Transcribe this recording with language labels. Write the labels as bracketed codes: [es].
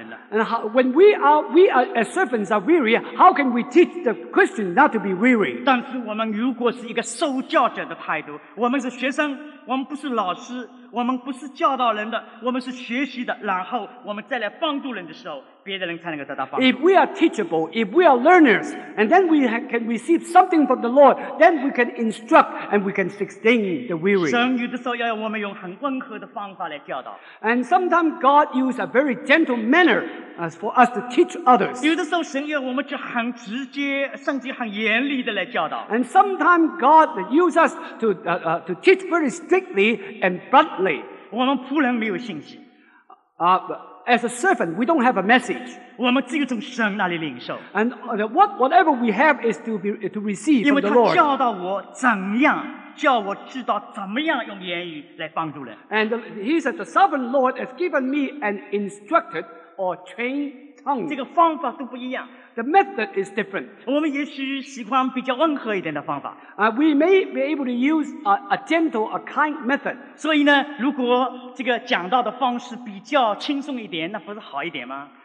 [en] And how, when we are, as servants are weary, how can we teach the Christians not to be weary? [zh] 但是我们如果是一个受教者的态度，我们是学生，我们不是老师，我们不是教导人的，我们是学习的，然后我们再来帮助人的时候，别的人才能够得到帮助。 [en] If we are teachable, if we are learners, and then we can receive something from the Lord, then we can instruct and we can sustain the weary. [zh] 神有的时候要我们用很温和的方法来教导。 [en] And sometimes God uses a very gentle manner as for us to teach others. [zh] 有的时候神要我们去很直接，甚至很严厉的来教导。 [en] And sometimes God uses us to teach very strictly and bluntly. [zh] 我们仆人没有信心。 [en] As a servant, we don't have a message. [zh] 我们只有从神那里领受。 [en] And whatever we have is to receive from the Lord. [zh] 因为他教导我怎样，叫我知道怎么样用言语来帮助人。 [en] And he said, the sovereign Lord has given me an instructed or trained tongue. [zh] 这个方法都不一样。 [en] The method is different. [zh] 我们也许喜欢比较温和一点的方法。 [en] We may be able to use a gentle, a kind method. [zh] 所以呢，如果这个讲道的方式比较轻松一点，那不是好一点吗？